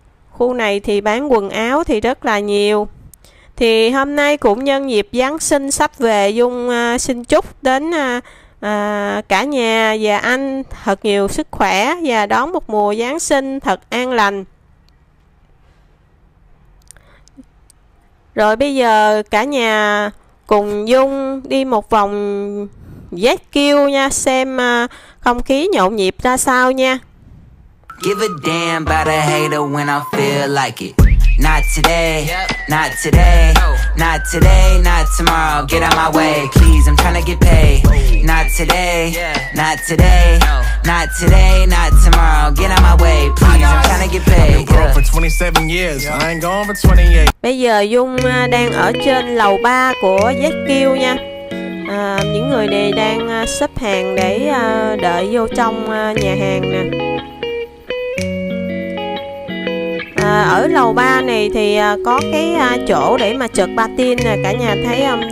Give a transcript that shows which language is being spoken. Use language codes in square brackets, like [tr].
[vi] Khu này thì bán quần áo thì rất là nhiều. Thì hôm nay cũng nhân dịp Giáng sinh sắp về, Dung xin chúc đến cả nhà và anh thật nhiều sức khỏe và đón một mùa Giáng sinh thật an lành. Rồi bây giờ cả nhà cùng Dung đi một vòng ZQ nha, xem không khí nhộn nhịp ra sao nha. [en] Give a damn about a hater when I feel like it. Not today, not today, not today, not tomorrow. Get out my way, please. I'm trying to get paid. Not today, not today, not today, not tomorrow. Get out my way, please. I'm trying to get paid. I've been broke for 27 years. I ain't gone for 28. [vi] Bây giờ Dung đang ở trên lầu 3 của ZQ nha. Những người này đang xếp hàng để đợi vô trong nhà hàng nè. Ở lầu 3 này thì có cái chỗ để mà trượt patin nè, cả nhà thấy không?